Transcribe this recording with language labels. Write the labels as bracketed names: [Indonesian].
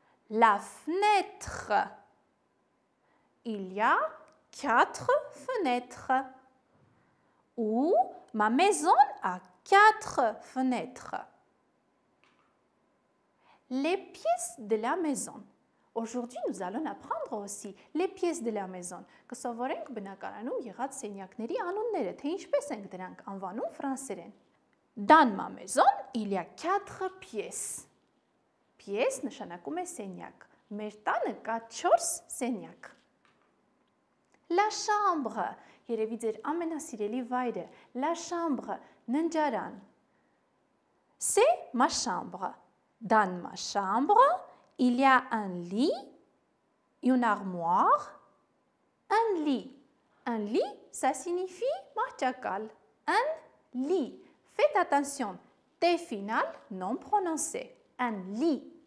[French] La fenêtre. Il y a quatre fenêtres. Ou ma maison a quatre fenêtres. Les pièces de la maison. Aujourd'hui, nous allons apprendre aussi les pièces de la maison. Que savons-nous [Armenian] բնականանում եղած սենյակների անունները, թե ինչպես ենք դրանք անվանում ֆրանսերեն. [French] Dans ma maison, il y a quatre pièces. [Armenian] Pièce նշանակում է սենյակ. Մեր տանը կա 4 սենյակ. La chambre. Երևի ձեր ամենասիրելի վայրը. [French] La chambre. Ննջարան. C'est ma chambre. Dans ma chambre, il y a un lit, une armoire, un lit. Un lit, ça signifie machakal. Un lit. Faites attention, T final non prononcé. Un lit.